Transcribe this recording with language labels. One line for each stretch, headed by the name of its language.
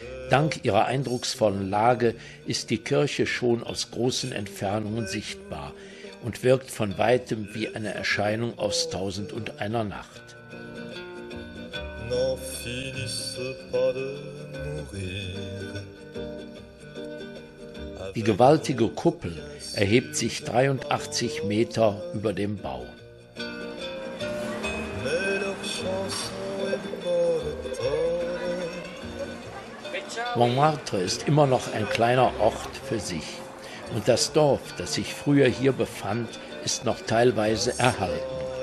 German: Dank ihrer eindrucksvollen Lage ist die Kirche schon aus großen Entfernungen sichtbar und wirkt von Weitem wie eine Erscheinung aus Tausend und einer Nacht.
French: N'en finisse pas de mourir.
German: Die gewaltige Kuppel erhebt sich 83 Meter über dem Bau.
French: Mais leur chanson est mortelle.
German: Montmartre ist immer noch ein kleiner Ort für sich. Und das Dorf, das sich früher hier befand, ist noch teilweise erhalten.